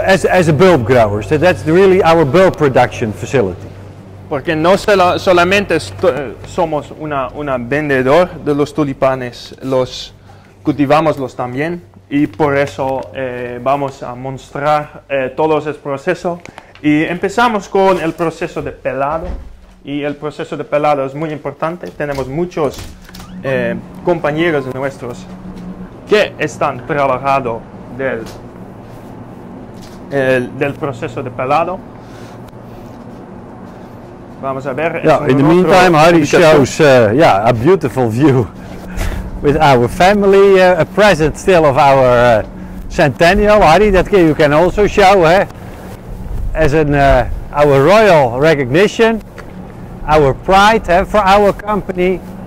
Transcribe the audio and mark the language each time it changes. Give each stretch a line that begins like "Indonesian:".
English: As a bulb grower, so that's really our bulb production facility.
Spanish: Porque no solamente somos una vendedor de los tulipanes, los cultivamos los también, y por eso vamos a mostrar todo ese proceso. Y empezamos con el proceso de pelado, y el proceso de pelado es muy importante. Tenemos muchos compañeros nuestros que están trabajando del proceso de pelado. Vamos a ver.
English: Yeah, in the meantime, Harry shows a beautiful view with our family, a present still of our centennial. Harry, that you can also show as an our royal recognition, our pride for our company.